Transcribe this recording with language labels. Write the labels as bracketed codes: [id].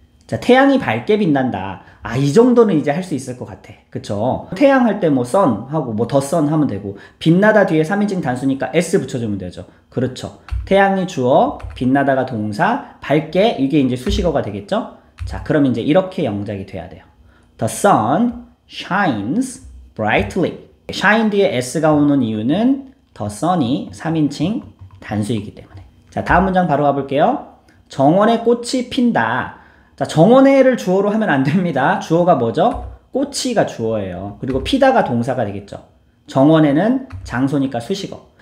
[ko] 자, 태양이 밝게 빛난다. 아, 이 정도는 이제 할 수 있을 것 같아. 그쵸? 태양 할 때 뭐 sun 하고 뭐 the sun 하면 되고, 빛나다 뒤에 3인칭 단수니까 s 붙여주면 되죠. 그렇죠. 태양이 주어, 빛나다가 동사, 밝게, 이게 이제 수식어가 되겠죠? 자, 그럼 이제 이렇게 영작이 돼야 돼요. [en] The sun shines brightly. [ko] shine 뒤에 s가 오는 이유는 the sun이 3인칭 단수이기 때문에. 자, 다음 문장 바로 가볼게요. 정원에 꽃이 핀다. 자, 정원에를 주어로 하면 안 됩니다. 주어가 뭐죠? 꽃이가 주어예요. 그리고 피다가 동사가 되겠죠. 정원에는 장소니까 수식어.